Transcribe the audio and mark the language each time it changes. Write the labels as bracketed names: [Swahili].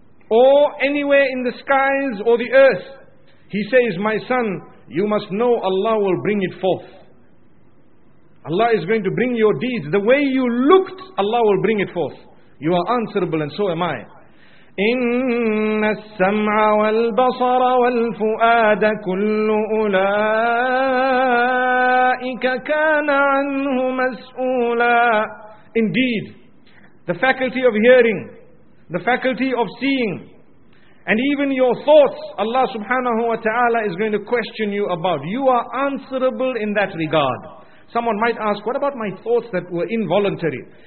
[English] Or anywhere in the skies or the earth, he says, my son, you must know Allah will bring it forth. Allah is going to bring your deeds. The way you looked, Allah will bring it forth. You are answerable and so am I. [Arabic] إِنَّ السَّمْعَ وَالْبَصَرَ وَالْفُؤَادَ كُلُّ أُولَٰئِكَ كَانَ عَنْهُ مَسْئُولًا. [English] Indeed, the faculty of hearing, the faculty of seeing, and even your thoughts, Allah subhanahu wa ta'ala is going to question you about. You are answerable in that regard. Someone might ask, what about my thoughts that were involuntary?